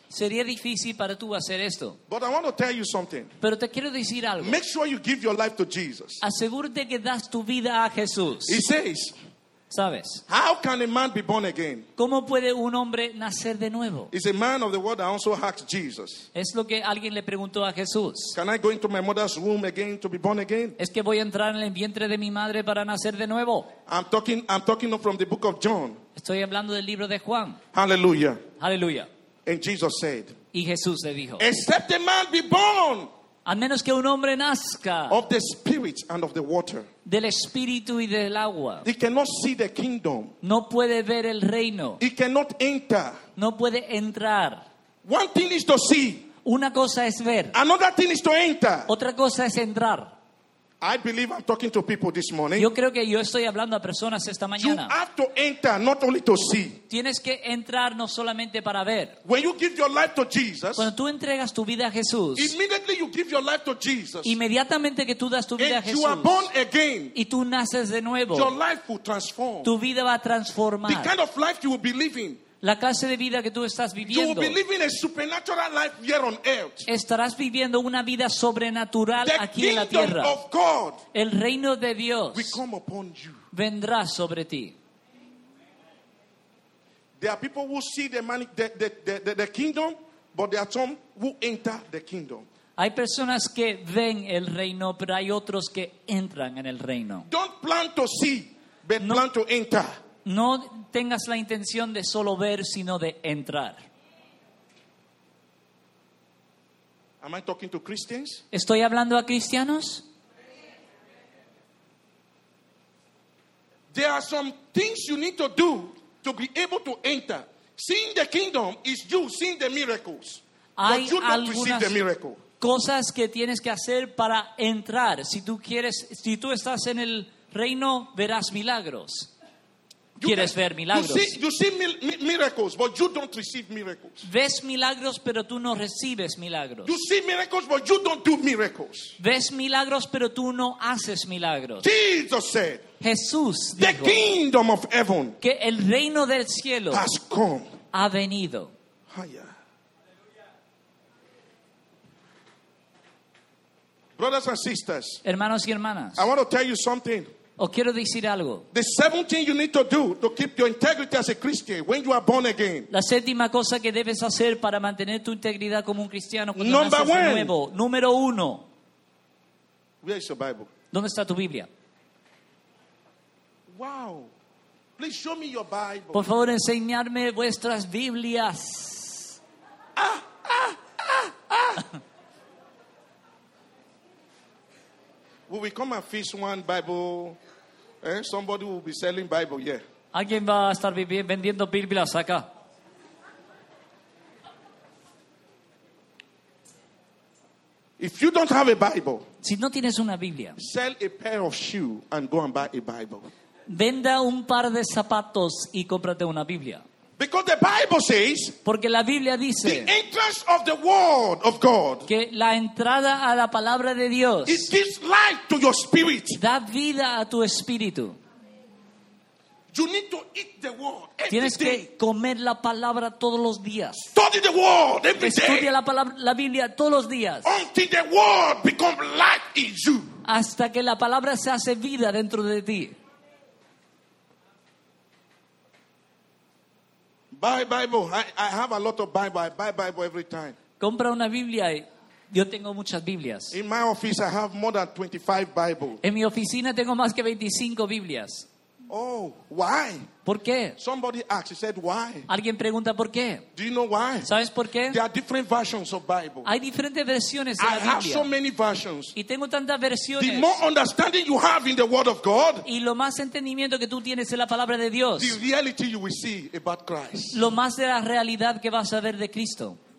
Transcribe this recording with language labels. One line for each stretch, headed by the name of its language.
Spanish: Sería difícil para tú hacer esto.
English: But I want to tell you something.
Spanish: Pero te quiero decir algo.
English: Make sure you give your life to Jesus.
Spanish: Asegúrate que das tu vida a Jesús.
English: He says,
Spanish: ¿sabes?
English: How can a man be born again?
Spanish: ¿Cómo puede un hombre nacer de nuevo?
English: Is a man of the world that also asked Jesus.
Spanish: Es lo que alguien le preguntó a Jesús.
English: Can I go into my mother's womb again to be born again?
Spanish: ¿Es que voy a entrar en el vientre de mi madre para nacer de nuevo?
English: I'm talking from the book of John.
Spanish: Estoy hablando del libro de Juan. Hallelujah. Hallelujah.
English: And Jesus said.
Spanish: Y Jesús le dijo.
English: Except a man be born.
Spanish: A menos que un hombre nazca
English: of the spirit and of the water,
Spanish: del espíritu y del agua,
English: he cannot see the kingdom,
Spanish: no puede ver el reino,
English: he cannot enter,
Spanish: no puede entrar.
English: One thing is to see,
Spanish: una cosa es ver,
English: another thing is to enter,
Spanish: otra cosa es entrar.
English: I believe I'm talking to people this morning.
Spanish: Yo creo que yo estoy hablando a personas esta mañana.
English: You have to enter, not only to see.
Spanish: Tienes que entrar no solamente para ver.
English: When you give your life to Jesus,
Spanish: cuando tú entregas tu vida a Jesús,
English: immediately you give your life to Jesus,
Spanish: inmediatamente que tú das tu vida a Jesús,
English: you are born again,
Spanish: y tú naces de nuevo,
English: your life will transform.
Spanish: Tu vida va a transformar.
English: The kind of life you will be living.
Spanish: La clase de vida que tú estás viviendo.
English: You will be living a supernatural life here on earth.
Spanish: Estarás viviendo una vida sobrenatural
English: the
Spanish: aquí en la tierra.
English: Kingdom of God,
Spanish: el reino de Dios,
English: will come upon you.
Spanish: Vendrá sobre ti.
English: There are people who see the kingdom, but there are some who enter the kingdom.
Spanish: Hay personas que ven el reino, pero hay otros que entran en el reino.
English: Don't plan to see, but no, plan to enter.
Spanish: No tengas la intención de solo ver, sino de entrar.
English: Am I talking to Christians?
Spanish: ¿Estoy hablando a cristianos?
English: There are some things you need to do to be able to enter. Seeing the kingdom is you seeing the miracles.
Spanish: Hay
English: but you
Spanish: algunas
English: not receive the miracle.
Spanish: cosas que tienes que hacer para entrar. Si tú quieres, si tú estás en el reino, verás milagros. ¿Quieres ver milagros?
English: You see miracles, but you don't receive miracles.
Spanish: Ves milagros, pero tú no recibes milagros.
English: You see miracles, but you don't do miracles.
Spanish: Ves milagros, pero tú no haces milagros.
English: Jesus said,
Spanish: Jesús dijo,
English: the kingdom of heaven,
Spanish: que el reino del cielo
English: has come,
Spanish: ha venido. Hiya.
English: Brothers and sisters,
Spanish: hermanos y hermanas,
English: I want to tell you something.
Spanish: O quiero decir algo.
English: The seventh thing you need to do to keep your integrity as a Christian when you are born again.
Spanish: La séptima cosa que debes hacer para mantener tu integridad como un cristiano cuando naces de nuevo. Número uno.
English: Where is your Bible?
Spanish: ¿Dónde está tu Biblia?
English: Wow. Please show me your Bible.
Spanish: Por favor, enseñarme vuestras Biblias.
English: Will we come and fish one Bible? Eh? Somebody will be selling Bible, yeah.
Spanish: ¿Alguien va a estar vendiendo Biblias acá?
English: If you don't have a Bible,
Spanish: si no tienes una Biblia,
English: sell a pair of shoes and go and buy a Bible.
Spanish: Venda un par de zapatos y cómprate una Biblia.
English: Because the Bible says,
Spanish: porque la Biblia dice,
English: the entrance of the word of God,
Spanish: que la entrada a la palabra de Dios,
English: it gives life to your spirit,
Spanish: da vida a tu espíritu.
English: You need to eat the word every
Spanish: tienes
English: day.
Spanish: Que comer la palabra todos los días.
English: Study the word every
Spanish: estudia
English: day.
Spanish: La palabra, la Biblia todos los días.
English: Until the word becomes life in you.
Spanish: Hasta que la palabra se hace vida dentro de ti.
English: Buy Bible. I have a lot of Bible. I buy Bible every time.
Spanish: Compra una Biblia. Yo tengo muchas Biblias.
English: In my office, I have more than 25 Bibles.
Spanish: En mi oficina tengo más que 25 Biblias.
English: Oh, why?
Spanish: ¿Por qué?
English: Somebody asked. He said, why?
Spanish: Alguien pregunta por qué.
English: Do you know why?
Spanish: ¿Sabes por qué?
English: There are different versions of Bible.
Spanish: Hay diferentes versiones de la Biblia.
English: I have so many versions.
Spanish: Y tengo tantas versiones.
English: The more understanding you have in the Word of God,
Spanish: y lo más entendimiento que tú tienes en la palabra de Dios,
English: the reality you will see about Christ,
Spanish: lo más de la realidad que vas a ver de Cristo.